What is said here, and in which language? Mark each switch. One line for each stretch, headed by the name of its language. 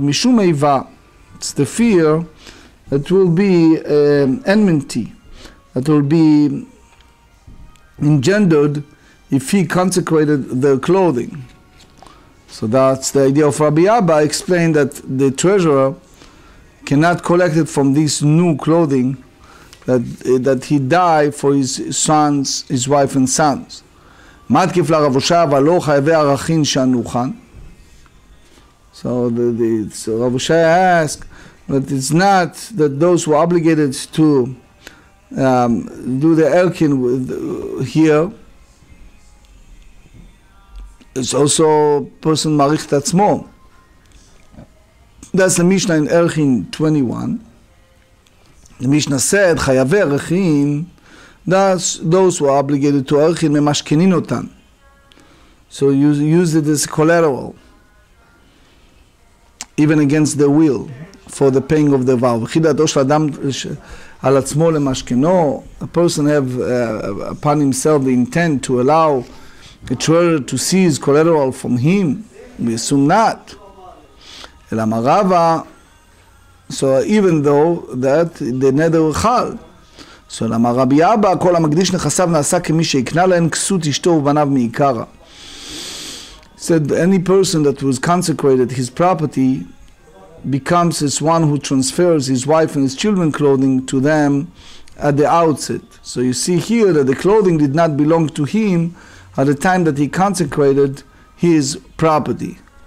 English: Mishum Eiva, it's the fear, it will be enmity that will be engendered if he consecrated their clothing. So that's the idea of Rabbi Abba. I explained that the treasurer cannot collect it from this new clothing that he died for his sons, his wife and sons.
Hebrew: מתקיף לרבושה, אבל לא חייבי ערכין שנוכן.
English: So the רבושה ask, but it's not that those who are obligated to do the erkin here. It's also person
Hebrew: מעריך את עצמו.
English: That's the Mishnah in Erchin 21. The Mishnah said, חייבי ערכין, that's those who are obligated to ערכין,
Hebrew: ממשכנין אותן.
English: So you use it as collateral, even against the will, for the paying of the vow.
Hebrew: וכי דעתו של אדם על עצמו למשכנו,
English: a person have upon himself the intent to allow a treasurer to seize collateral from him, we assume not.
Hebrew: אלא מרבה,
English: so even though that the nether
Hebrew: חל, so אלא מרבי אבא, כל המקדיש נכסיו נעשה כמי שהקנה להן כסות אשתו ובניו מעיקרה.
English: Said any person that was consecrated, his property becomes as one who transfers his wife and his children clothing to them at the outset. So you see here that the clothing did not belong to him at the time that he consecrated his property.